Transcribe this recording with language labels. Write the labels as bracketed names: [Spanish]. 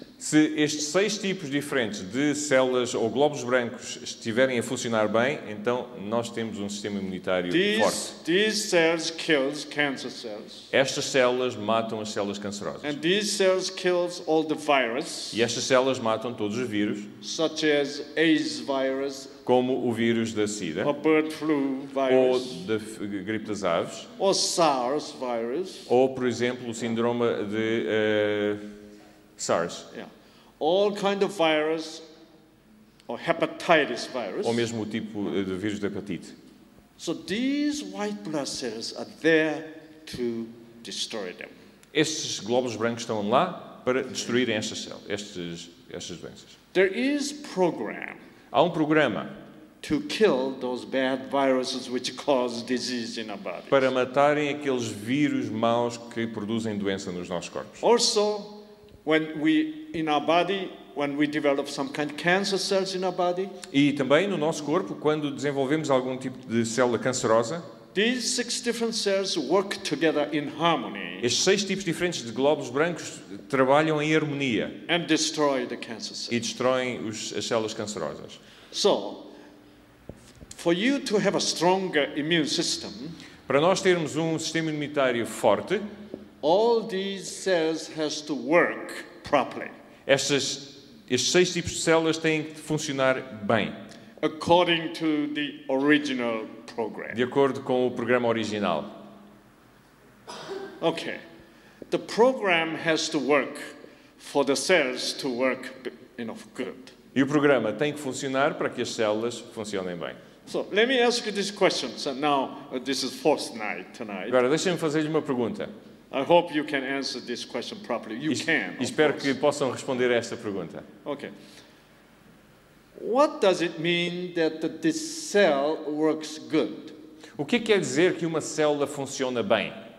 [Portuguese] Se estes 6 tipos diferentes de células ou glóbulos brancos estiverem a funcionar bem, então nós temos um sistema imunitário forte. [English] These cells kill cancer cells. [Portuguese] Estas células matam as células cancerosas. [English] And these cells kill all the virus. [Portuguese] E estas células matam todos os vírus. [English] Such as AIDS virus. [Portuguese] Como o vírus da SIDA. [English] Or bird flu virus. [Portuguese] Ou da gripe das aves. [English] Or SARS virus. [Portuguese] Ou, por exemplo, o síndrome de SARS. [English] Yeah. All kind of virus or hepatitis virus. [Portuguese] Ou mesmo o tipo de vírus da hepatite. [English] So these white blood cells are there to destroy them. [Portuguese] Estes glóbulos brancos estão lá para destruírem estas células, estas doenças. [English] There is program. [Portuguese] Há um programa. [English] To kill those bad viruses which cause disease in our bodies. [Portuguese] Para matarem aqueles vírus maus que produzem doença nos nossos corpos. [English] Also, when we in our body, when we develop some kind of cancer cells in our body, [Portuguese] e também no nosso corpo quando desenvolvemos algum tipo de célula cancerosa, [English] these 6 different cells work together in harmony. [Portuguese] Estes 6 tipos diferentes de glóbulos brancos trabalham em harmonia [English] and destroy the cancer cells. [Portuguese] E destroem as células cancerosas. [English] So, for you to have a stronger immune system, [Portuguese] para nós termos um sistema imunitário forte, [English] all these cells has to work properly. [Portuguese] Estes 6 tipos de células têm que funcionar bem. [English] According to the original program. [Portuguese] De acordo com o programa original. [English] Okay. The program has to work for the cells to work enough good. [Portuguese] E o programa tem que funcionar para que as células funcionem bem. [English] So, let me ask you this question. So now this is fourth night tonight. [Portuguese] Agora deixem-me fazer-lhe uma pergunta. [English] I hope you can answer this question properly. You can. [Portuguese] Espero que possam responder a esta pergunta. [English] Okay. What does it mean that this cell works good? [Portuguese] O que quer dizer que uma célula funciona bem?